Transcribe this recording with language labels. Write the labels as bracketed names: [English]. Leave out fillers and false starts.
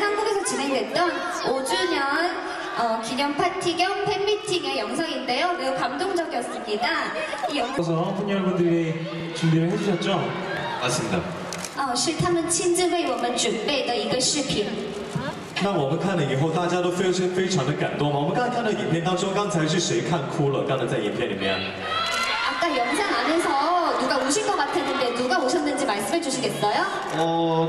[Korean] 한국에서 진행됐던 5주년 기념 파티 겸 팬미팅의 영상인데요, 매우 감동적이었습니다. 그래서 팬 여러분들이 준비를 해주셨죠? 맞습니다. [Chinese] 是他们亲自为我们准备的一个视频。那我们看了以后，大家都非常的感动吗？我们刚才看到影片当中，刚才是谁看哭了？刚才在影片里面。 [Korean] 아까 영상 안에서 누가 우신 것 같았는데 누가 오셨는지 말씀해 주시겠어요?